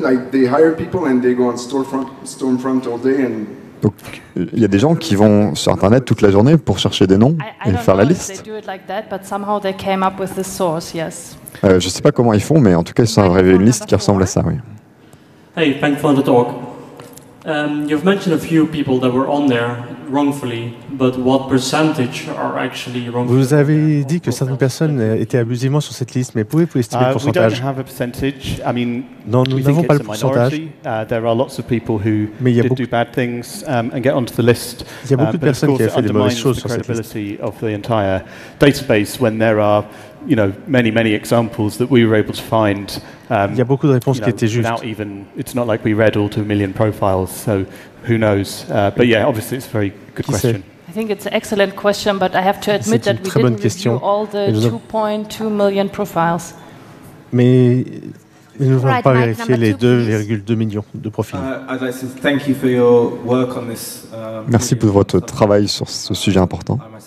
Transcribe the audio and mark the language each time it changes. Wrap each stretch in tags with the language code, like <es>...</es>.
<en>Like they hire people and they go on stormfront all day and.</en> <fr>Donc, il y a des gens qui vont sur Internet toute la journée pour chercher des noms et faire la liste. Je ne sais pas comment ils font, mais en tout cas, ils ont révélé une liste qui ressemble à ça, oui.</fr> <en>Hey, thanks for the talk. You've mentioned a few people that were on there wrongfully, but what percentage are actually wrongfully?</en> <fr>Vous avez dit que certaines personnes étaient abusivement sur cette liste, mais pouvez-vous estimer le pourcentage?</fr> <en>We don't have a percentage. I mean,</en> <fr>non, nous n'avons pas le pourcentage.</fr> <en>There are lots of people who did do bad things and get onto the list.</en> <fr>Il y a beaucoup de personnes qui ont fait des mauvaises choses sur cette liste.</fr> <en>Of the entire database when there are, you know, many, many examples that we were able to find.</en> <fr>Il y a beaucoup de réponses,</fr> <en>you know,</en> <fr>qui étaient justes.</fr> <en>Even, it's not like we read all 2 million profiles, so who knows. But yeah, obviously it's a very good question. I think it's an excellent question, but I have to admit that we didn't question. Review all the 2.2 million profiles.</en> <fr>Mais nous n'avons pas vérifié les 2,2 millions de profils.</fr> <en>Thank you for your work on this.</en> <fr>Merci pour votre travail sur ce sujet important.</fr>